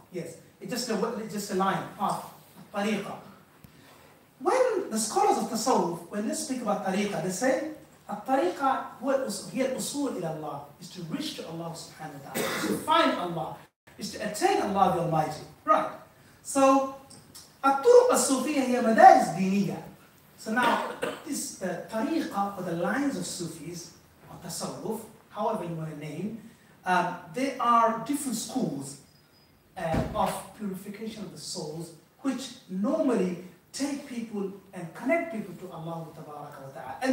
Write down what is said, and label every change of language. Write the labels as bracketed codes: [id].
[en] Yes. It's just a line. Path. Tariqa. When the scholars of tasawuf, when they speak about tariqa, they say, At-tariqa [ar] هي الأصول إلى الله [en] is to reach to Allah subhanahu wa ta'ala, to find Allah, is to attain Allah the Almighty. Right. [ar] So, الطرق الصوفية هي مدارس دينية. [en] So now, this tariqa or the lines of Sufis, or tasawuf, however you want to name, they are different schools of purification of the souls, which normally take people and connect people to Allah Tabaraka wa Ta'ala.